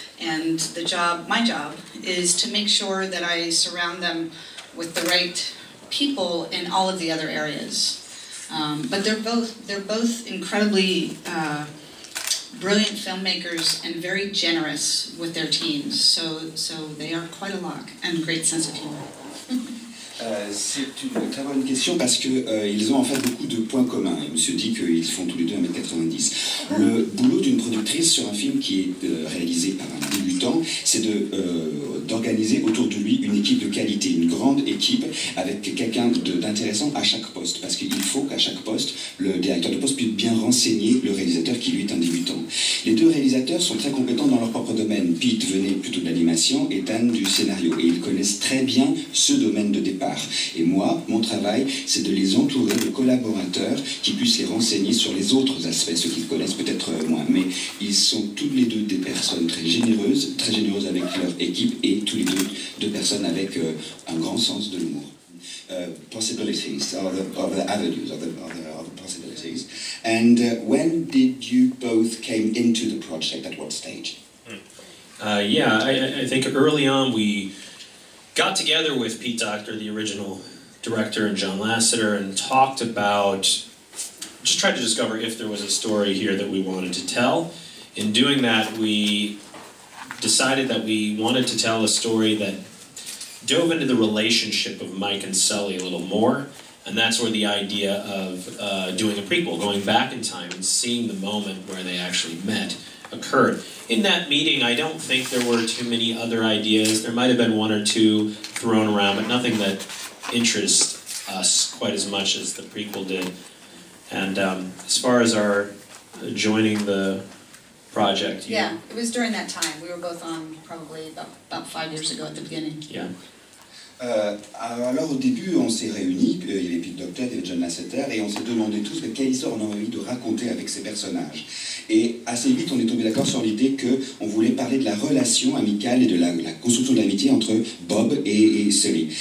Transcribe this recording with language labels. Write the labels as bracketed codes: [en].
[en] And the job, my job, is to make sure that I surround them with the right people in all of the other areas. But they're both incredibly brilliant filmmakers and very generous with their teams. So they are quite a lock and great sense of humor. [fr] C'est une très bonne question parce qu'ils ont en fait beaucoup de points communs. Il me se dit qu'ils font tous les deux 1m90. Le boulot d'une productrice sur un film qui est réalisé par un débutant, c'est d'organiser autour de lui une équipe de qualité, une grande équipe avec quelqu'un d'intéressant à chaque poste. Parce qu'il faut qu'à chaque poste, le directeur de poste puisse bien renseigner le réalisateur qui lui est un débutant. Les deux réalisateurs sont très compétents dans leur propre domaine. Pete venait plutôt de l'animation et Dan du scénario. Et ils connaissent très bien ce domaine de départ. Et moi, mon travail, c'est de les entourer de collaborateurs qui puissent les renseigner sur les autres aspects, ceux qu'ils connaissent peut-être moins. Mais ils sont tous les deux des personnes très généreuses avec leur équipe et tous les deux deux personnes avec un grand sens de l'humour. [en] Possibilities, or the avenues, or the possibilities. And when did you both came into the project, at what stage? I think early on we got together with Pete Docter, the original director, and John Lasseter, and talked about, just tried to discover if there was a story here that we wanted to tell. In doing that, we decided that we wanted to tell a story that dove into the relationship of Mike and Sully a little more, and that's where the idea of doing a prequel, going back in time and seeing the moment where they actually met, occurred. In that meeting, I don't think there were too many other ideas. There might have been one or two thrown around, but nothing that interests us quite as much as the prequel did. And as far as our joining the project... Yeah, it was during that time. We were both on probably about 5 years ago at the beginning. Yeah. [fr] Alors au début, on s'est réunis, il y avait Pete Docter, il y avait John Lasseter, et on s'est demandé tous quelle histoire on avait envie de raconter avec ces personnages. Et assez vite, on est tombé d'accord sur l'idée qu'on voulait parler de la relation amicale et de la construction de l'amitié entre Bob et Sully.